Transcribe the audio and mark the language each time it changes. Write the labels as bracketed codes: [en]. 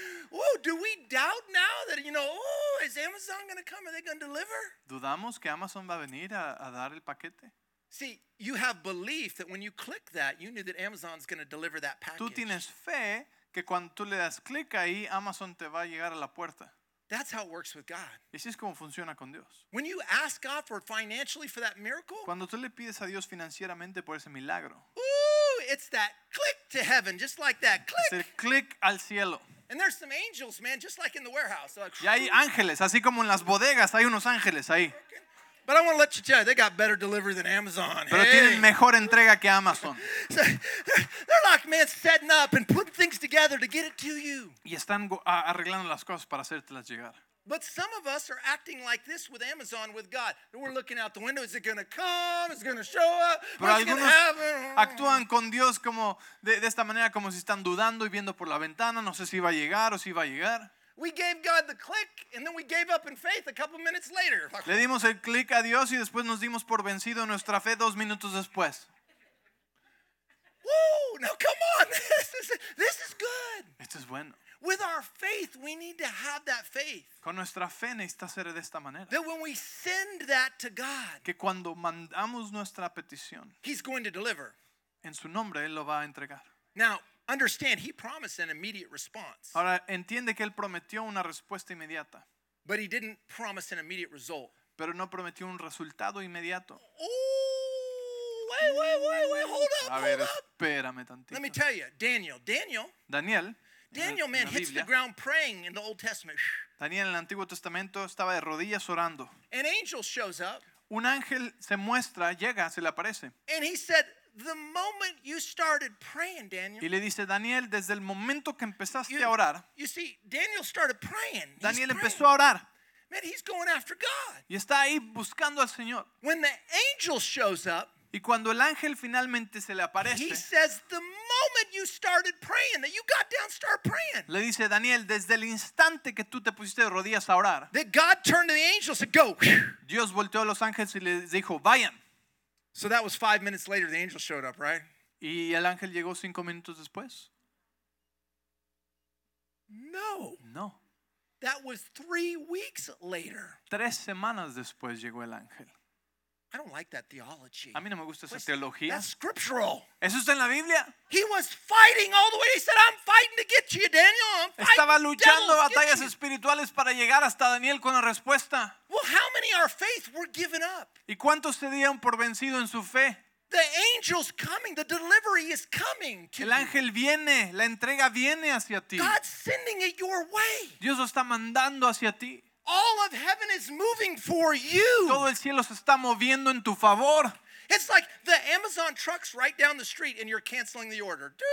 [en] Whoa, do we doubt now that, you know, is Amazon going to come? Are they going to deliver? [es] ¿Dudamos que Amazon va a venir a dar el paquete? [en] See, you have belief that when you click that, you knew that Amazon's going to deliver that package. [es] Tú tienes fe que cuando tú le das clic ahí, Amazon te va a llegar a la puerta. [en] That's how it works with God. [es] Así es como funciona con Dios. [en] When you ask God for financially for that miracle, [es] cuando tú le pides a Dios financieramente por ese milagro, [en] it's that click to heaven, just like that click. [es] Es el click al cielo. [en] And there's some angels, man, just like in the warehouse. [es] Y hay ángeles, así como en las bodegas, hay unos ángeles ahí. [en] But I want to let you tell you, they got better delivery than Amazon. [es] Pero hey. Tienen mejor entrega que Amazon. [en] So they're like, man, setting up and putting things together to get it to you. [es] Y están arreglando las cosas para hacértelas llegar. [en] But some of us are acting like this with Amazon, with God. We're looking out the window. Is it going to come? Is it going to show up? [es] Pero [en] what's going to happen? [es] Actúan con Dios como de esta manera, como si están dudando y viendo por la ventana. No sé si va a llegar o si va a llegar. [en] We gave God the click, and then we gave up in faith a couple minutes later. [es] Le dimos el click a Dios y después nos dimos por vencido en nuestra fe 2 minutos después. [en] Woo! Now come on, this is good. [es] Esto es bueno. [en] With our faith, we need to have that faith. [es] Con nuestra fe necesita ser de esta manera. [en] That when we send that to God, [es] que cuando mandamos nuestra petición, [en] He's going to deliver. [es] En su nombre, Él lo va a entregar. [en] Now, understand, He promised an immediate response. [es] Ahora, entiende que Él prometió una respuesta inmediata. [en] But He didn't promise an immediate result. [es] Pero no prometió un resultado inmediato. [en] Oh, wait, hold up, [es] a ver, espérame tantito. [en] Let me tell you, Daniel. Daniel, man, hits the ground praying in the Old Testament. [es] Daniel, en el Antiguo Testamento, estaba de rodillas orando. [en] An angel shows up. [es] Un ángel se muestra, llega, se le aparece. [en] And he said, "The moment you started praying, Daniel." [es] Y le dice, Daniel, desde el momento que empezaste a orar. [en] You see, Daniel started praying. [es] Daniel empezó a orar. [en] Man, he's going after God. [es] Y está ahí buscando al Señor. [en] When the angel shows up. [es] Y cuando el ángel finalmente se le aparece. [en] He says, "The moment you started praying, that you got down, start praying." [es] Le dice Daniel, desde el instante que tú te pusiste de rodillas a orar. [en] That God turned to the angels and go. [es] Dios volteó a los ángeles y les dijo, vayan. [en] So that was 5 minutes later. The angel showed up, right? [es] Y el ángel llegó 5 minutos después. [en] No. That was 3 weeks later. [es] 3 semanas después llegó el ángel. [en] I don't like that theology. [es] A mí no me gusta esa teología. [en] That's scriptural. [es] ¿Eso está en la Biblia? [en] He was fighting all the way. He said, "I'm fighting to get to you, Daniel. I'm fighting." [es] Estaba luchando batallas espirituales para llegar hasta Daniel con la respuesta. [en] Well, how many are faith were given up? [es] ¿Y cuántos se dieron por vencido en su fe? [en] The angel's coming. The delivery is coming to you. [es] El ángel viene. La entrega viene hacia ti. [en] God's sending it your way. [es] Dios lo está mandando hacia ti. [en] All of heaven is moving for you. [es] Todo el cielo se está moviendo en tu favor. [en] It's like the Amazon truck's right down the street and you're canceling the order.